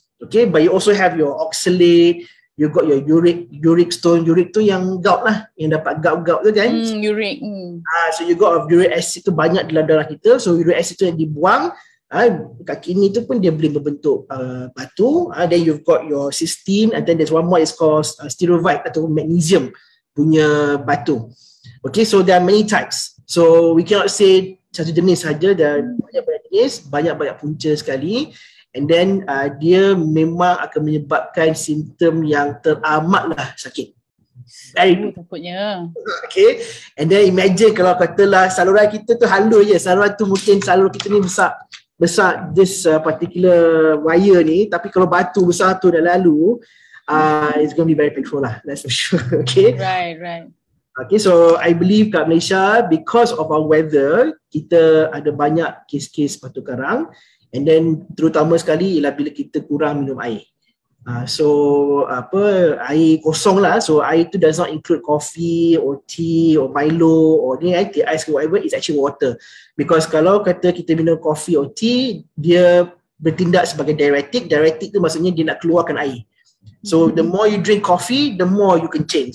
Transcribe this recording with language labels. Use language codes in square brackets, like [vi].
[en] Okay, but you also have your oxalate, you got your uric stone. [ms] Uric tu yang gout lah, yang dapat gout tu kan. [en] So you got [ms] uric acid tu banyak dalam darah kita. So uric acid tu yang dibuang, kat kini tu pun dia boleh membentuk batu. [en] Then you've got your cysteine, and then there's one more, it's called stearovite [ms] atau magnesium punya batu. [en] Okay, so there are many types. So we cannot say [ms] satu jenis saja, there banyak-banyak jenis, banyak-banyak punca sekali. [en] And then [ms] dia memang akan menyebabkan simptom yang teramatlah sakit. Takutnya. Okay. [en] And then imagine [ms] kalau katalah saluran kita tu halus je. Saluran tu mungkin saluran kita ni besar [en] this particular wire [ms] ni. Tapi kalau batu besar tu dah lalu, [en] it's going to be very painful lah. That's for sure. Okay. Right. Okay, so I believe kat Malaysia, because of our weather, [ms] kita ada banyak kes-kes batu karang. [en] And then [ms] terutama sekali ialah bila kita kurang minum air. So apa, air kosong lah. So air tu [en] does not include coffee or tea or Milo [ms] or ni kan, [en] tea, ice, whatever, it's actually water. [ms] Because kalau kata kita minum coffee or tea, dia bertindak sebagai diuretic. Diuretic tu maksudnya dia nak keluarkan air. [en] So the more you drink coffee, the more you kencing.